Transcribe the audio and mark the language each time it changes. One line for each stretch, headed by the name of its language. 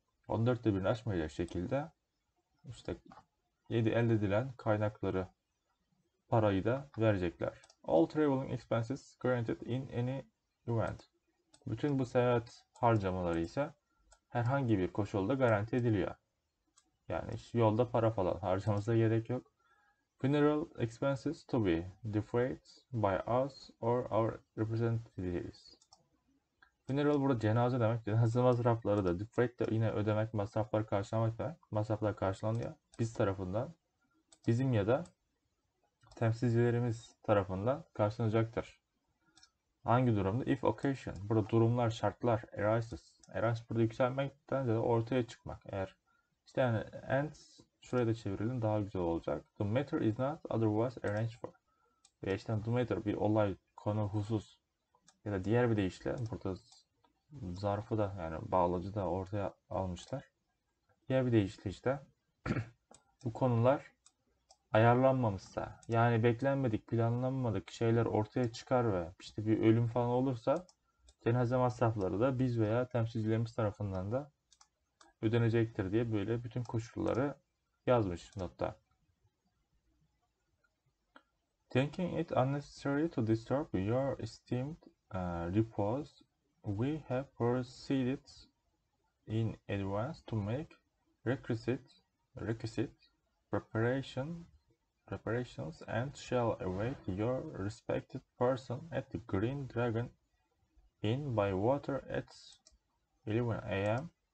Turkish: 14'te 1'ini aşmayacak şekilde işte elde edilen kaynakları parayı da verecekler.
English: All traveling expenses granted in any event.
Turkish: Bütün bu seyahat harcamaları ise herhangi bir koşulda garanti ediliyor. Yani yolda para falan harcaması da gerek yok.
English: Funeral expenses to be defrayed by us or our representatives.
Turkish: Funeral burada cenaze demek. Cenaze masrafları da defrayed de yine ödemek, masrafları karşılamak demek. Masraflar karşılanıyor. Biz tarafından, bizim ya da temsilcilerimiz tarafından karşılanacaktır. Hangi durumda?
English: If occasion.
Turkish: Burada durumlar, şartlar, arises. Arise burada yükselmekten ya da ortaya çıkmak. Eğer işte yani ends şuraya da çevirelim daha güzel olacak.
English: The matter is not otherwise arranged for.
Turkish: Ve işte the matter bir olay, konu, husus ya da diğer bir deyişle burada zarfı da yani bağlacı da ortaya almışlar. Diğer bir deyişle işte bu konular ayarlanmamışsa yani beklenmedik, planlanmadık şeyler ortaya çıkar ve işte bir ölüm falan olursa cenaze masrafları da biz veya temsilcilerimiz tarafından da ödenecektir diye böyle bütün koşulları yazmış notta.
English: Thinking it unnecessary to disturb your esteemed repose, we have proceeded in advance to make requisite preparations and shall await your respected person at the Green Dragon Inn by water at 11 a.m.